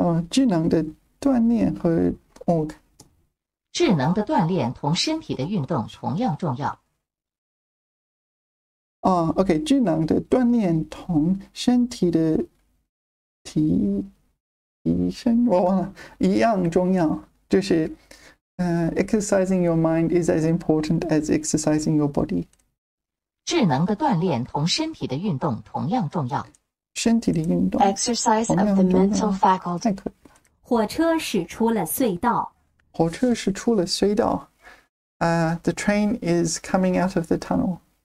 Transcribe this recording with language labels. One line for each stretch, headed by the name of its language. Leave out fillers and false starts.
Chinese: 智能的锻炼和 OK。智能的锻炼同身体的运动同样重要。 OK， 智能的锻炼同身体的提升，我忘了，一样重要。就是
English: exercising your mind is as important as exercising your body。
Chinese: 智能的锻炼同身体的运动同样重要。身体的运动。
English: Exercise of the mental faculty。
Chinese: 太可以了。火车驶出了隧道。火车驶出了隧道。
English: The train is coming out of the tunnel。